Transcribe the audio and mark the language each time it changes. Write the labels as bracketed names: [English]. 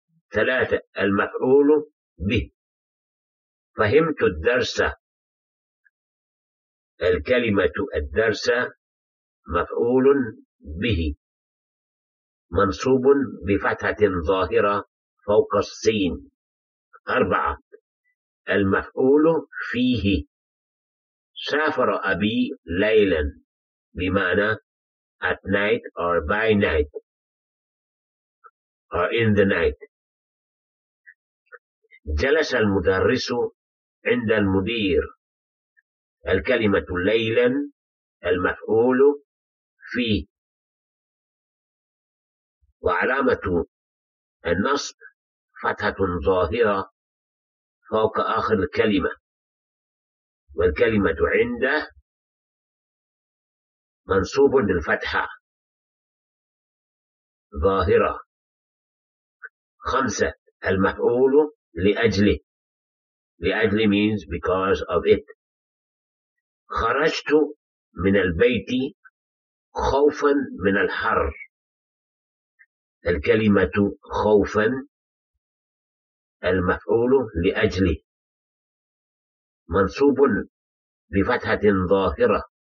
[Arabic] 3 المفعول به. فهمت الدرس، الكلمة الدرس مفعول به منصوب بفتحة ظاهرة فوق السين. 4 المفعول فيه. سافر أبي ليلا بمعنى [English] at night or by night or in the night. [Arabic] جلس المدرس عند المدير، الكلمة ليلا المفعول فيه. وعلامة النصب فتحة ظاهرة فوق آخر الكلمة. والكلمة عند منصوب بالفتحة ظاهرة. خمسة المفعول لأجله. [English] لأجل means because of it. [Arabic] خرجت من البيت خوفا من الحر. الكلمة خوفا المفعول لأجله منصوب بفتحة ظاهرة.